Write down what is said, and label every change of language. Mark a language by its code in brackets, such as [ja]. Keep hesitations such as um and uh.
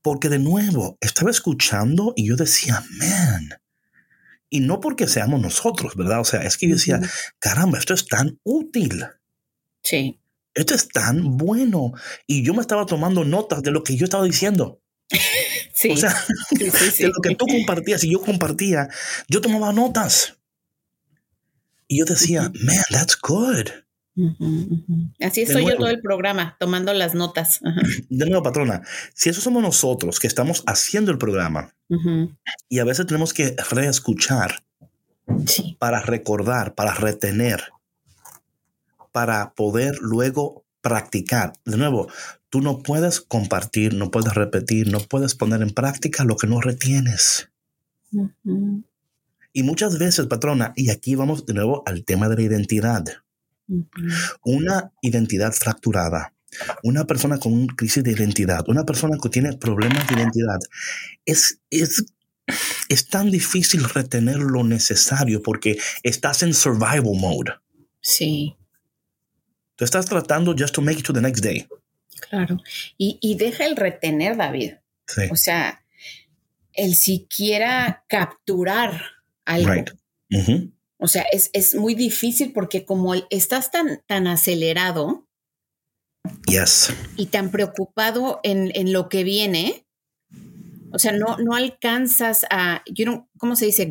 [es] porque de nuevo estaba escuchando y yo decía, man, y no porque seamos nosotros, ¿verdad? O sea, es que uh -huh. yo decía, caramba, esto es tan útil. Sí. Esto es tan bueno. Y yo me estaba tomando notas de lo que yo estaba diciendo. sí. O sea, sí, sí, sí. de lo que tú compartías y yo compartía, yo tomaba notas. Y yo decía, man, [en] that's good. [es] Uh -huh, uh -huh. Así estoy yo todo el programa, tomando las notas. Uh -huh. De nuevo, patrona, si eso somos nosotros que estamos haciendo el programa y a veces tenemos que reescuchar sí. para recordar, para retener, para poder luego practicar. De nuevo, tú no puedes compartir, no puedes repetir, no puedes poner en práctica lo que no retienes. Y muchas veces, patrona, y aquí vamos de nuevo al tema de la identidad. Uh -huh. Una identidad fracturada, una persona con una crisis de identidad, una persona que tiene problemas de identidad, es, es, es, tan difícil retener lo necesario porque estás en [en] survival mode. [es] Sí. Tú estás tratando [en] just to make it to the next day. [es] Claro. Y, y deja el retener, David. Sí. O sea, el siquiera capturar algo. Right. Uh -huh. O sea, es, es, muy difícil porque como el, estás tan, tan acelerado yes. y tan preocupado en, en, lo que viene, o sea, no, no alcanzas a, [en] you don't, [es] ¿cómo se dice?